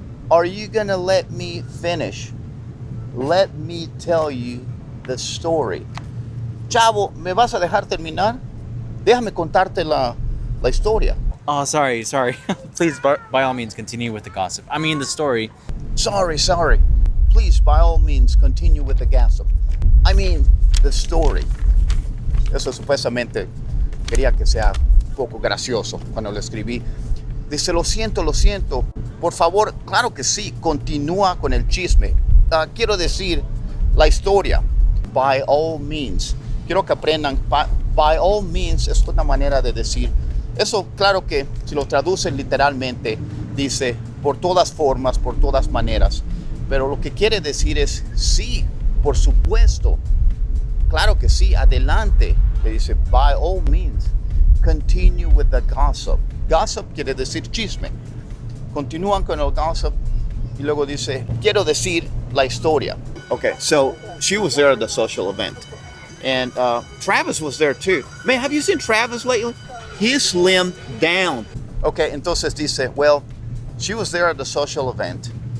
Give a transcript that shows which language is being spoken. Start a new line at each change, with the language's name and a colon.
English: Are you going to let me finish? Let me tell you the story.
Spanish: Chavo, ¿me vas a dejar terminar? Déjame contarte la historia.
English: Oh, sorry. Please, by all means, continue with the gossip. I mean, the story. Sorry. Please, by all means, continue with the gossip. I mean, the story.
Spanish: Eso supuestamente quería que sea un poco gracioso cuando lo escribí. Dice, lo siento. Por favor, claro que sí, continúa con el chisme. Quiero decir, la historia. By all means. Quiero que aprendan, by all means es una manera de decir. Eso, claro que si lo traducen literalmente, dice por todas formas, por todas maneras. Pero lo que quiere decir es sí, por supuesto. Claro que sí, adelante. Le dice, by all means, continue with the gossip. Gossip quiere decir chisme. Continúan con el gossip y luego dice, quiero decir la historia.
English: Okay, so she was there at the social event. And Travis was there too. Man, have you seen Travis lately? He's slimmed down.
Spanish: Okay, entonces dice, well, she was there at the social event.